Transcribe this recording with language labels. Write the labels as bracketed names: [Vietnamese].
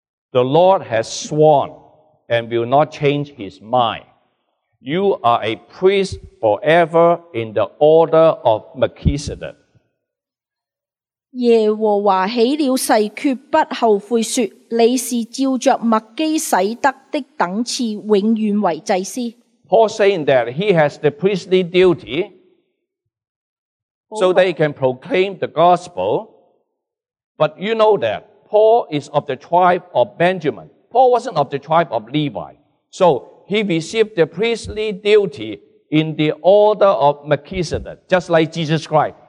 [English] The Lord has sworn and will not change his mind. You are a priest forever in the order of Melchizedek. [Chinese] 耶和华起了誓，绝不后悔，说你是照着麦基洗德的等次，永远为祭司。 [English] Paul saying that he has the priestly duty, so that he can proclaim the gospel. But you know that Paul is of the tribe of Benjamin. Paul wasn't of the tribe of Levi, so. He received the priestly duty in the order of Melchizedek, just like Jesus Christ.